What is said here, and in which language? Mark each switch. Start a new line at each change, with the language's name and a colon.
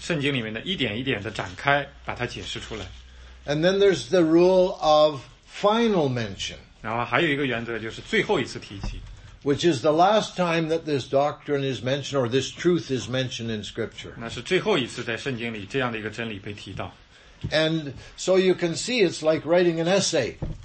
Chinese: 那就是他整个在圣经里面的一点一点的展开，把它解释出来。
English: And then there's the rule of final mention.
Chinese: 然后还有一个原则就是最后一次提及。
English: Which is the last time that this doctrine is mentioned or this truth is mentioned in scripture.
Chinese: 那是最后一次在圣经里这样的一个真理被提到。
English: And so you can see it's like writing an essay.